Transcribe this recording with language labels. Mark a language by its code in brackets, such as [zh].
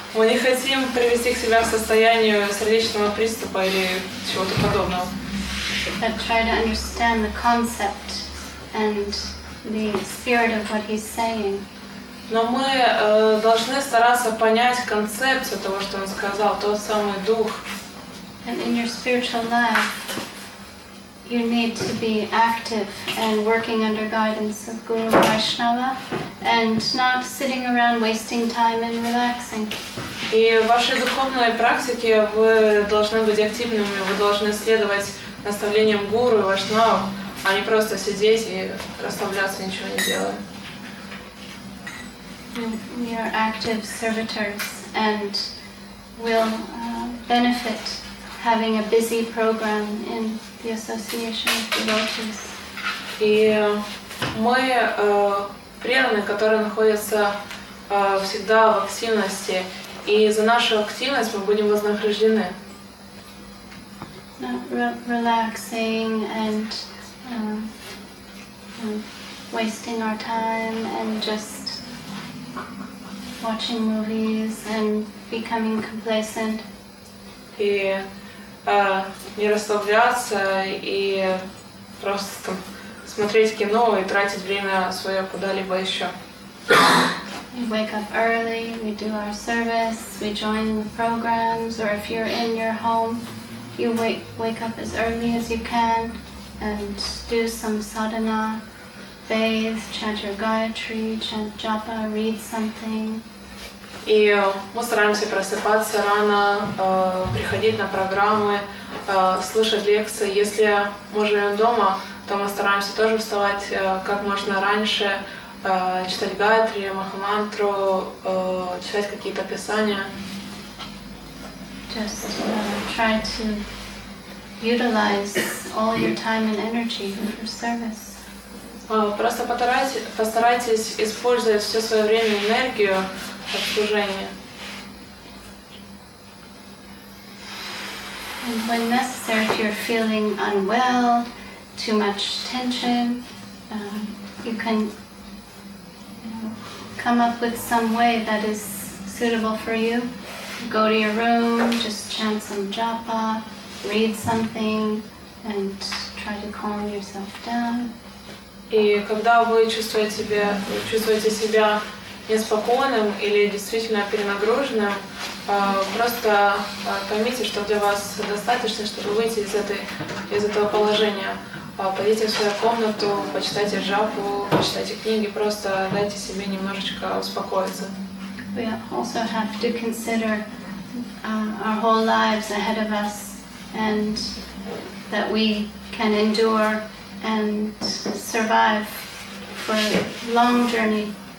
[ru] Мы не хотим привести к себя в состоянию сердечного приступа или чего-то подобного. [en] But try to understand the concept and the spirit of what he's saying. [ru] Но мы должны стараться понять концепцию того, что он сказал, тот самый дух. [en] And in your spiritual life, you need to be active and working under guidance of Guru Vaishnava and not sitting around wasting time and relaxing. [ru] И в вашей духовной практике вы должны быть активными, вы должны следовать наставлениям Гуру и Вайшнава, а не просто сидеть и расслабляться, ничего не делая. [en] We are active servitors and will benefit having a busy program in the association of devotees. [ru] И мы преданные, которые находятся всегда в активности, и за нашу активность мы будем вознаграждены. [en] Relaxing and wasting our time and just watching movies and becoming complacent. [ru] И не расслабляться и просто там смотреть кино и тратить время свое куда-либо еще. [en] We wake up early, we do our service, we join the programs, or if you're in your home, you wake up as early as you can and do some sadhana, bathe, chant your Gayatri, chant japa, read something. [ru] И мы стараемся просыпаться рано, приходить на программы, слушать лекции. Если мы живем дома, то мы стараемся тоже вставать как можно раньше, читать Гаятри, Махамантру, читать какие-то писания. [en] Just try to utilize all your time and energy for service. [ru] Просто постарайтесь использовать все свое время и энергию обслужения. [en] And when necessary, if you're feeling unwell, too much tension, you can come up with some way that is suitable for you. Go to your room, just chant some japa, read something, and try to calm yourself down. [ru] И когда вы чувствуете себя неспокойным или действительно перенагруженным, просто поймите, что для вас достаточно, чтобы выйти из этого положения. Пойдите в свою комнату, почитайте джапу, почитайте книги, просто дайте себе немножечко успокоиться. [en] We also have to consider our whole lives ahead of us and that we can endure and survive for a long journey.